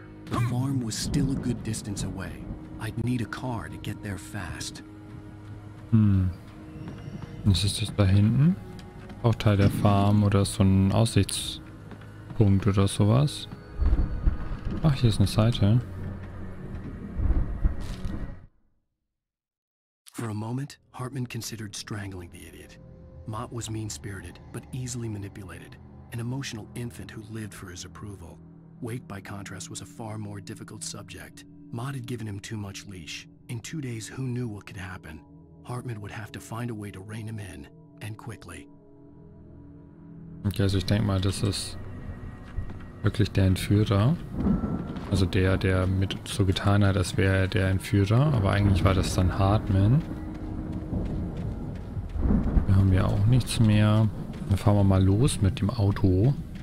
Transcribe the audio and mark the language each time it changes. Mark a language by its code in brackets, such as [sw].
[en] The farm was still a good distance away. I'd need a car to get there fast. [de] Hm. Ist das da hinten? Auch Teil der Farm oder so ein Aussichtspunkt oder sowas? Ach, hier ist eine Seite. [en] For a moment, Hartman considered strangling the idiot. Mott was mean-spirited, but easily manipulated. An emotional infant who lived for his approval. Wake, by contrast, was a far more difficult subject. Mott had given him too much leash. In 2 days, who knew what could happen? Hartman would have to find a way to rein him in, and quickly. [de] Okay, also ich denke mal, das ist wirklich der Entführer. Also der, der mit so getan hat, als wäre der Entführer. Aber eigentlich war das dann Hartman. Hier haben wir auch nichts mehr. Dann fahren wir mal los mit dem Auto.